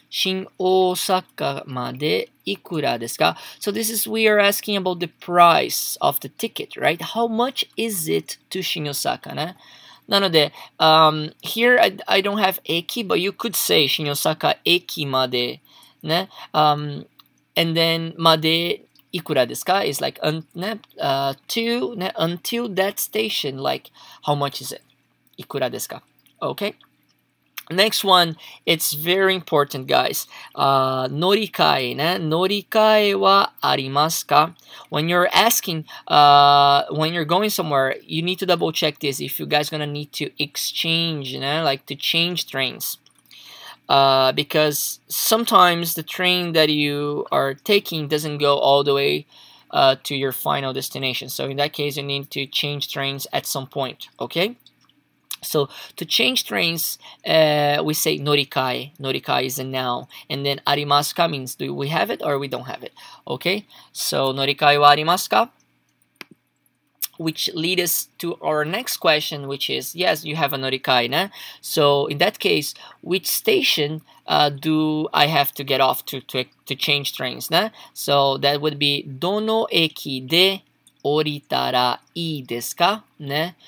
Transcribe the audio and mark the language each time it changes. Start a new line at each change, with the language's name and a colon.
Japanese: 新大阪まで行くらですか。
English: So this is we are asking about the price of the ticket, right? How much is it to
Japanese: 新大阪ね。なので、
English: here I don't have 駅, but you could say
Japanese: 新大阪駅までね。
English: And then
Japanese: までいくらですか?
English: It's like to until that station, like how much is it?
Japanese: いくらですか?
English: Okay. Next one, it's very important, guys.
Japanese: 乗り換えね。乗り換えはありますか?
English: When you're asking, when you're going somewhere, you need to double check this if you guys gonna need to exchange, like to change trains. Because sometimes the train that you are taking doesn't go all the way to your final destination. So in that case, you need to change trains at some point, okay? So to change trains, we say 乗り換え. 乗り換えis a noun. And then
Japanese: ありますか
English: means do we have it or we don't have it, okay?
Japanese: So 乗り換えはありますか?
English: Which lead us to our next question, which is yes, you have a norikai, né? So in that case, which station do I have to get off to change trains, né? So that would be
Japanese: dono eki de oritara ii desu ka,
English: né?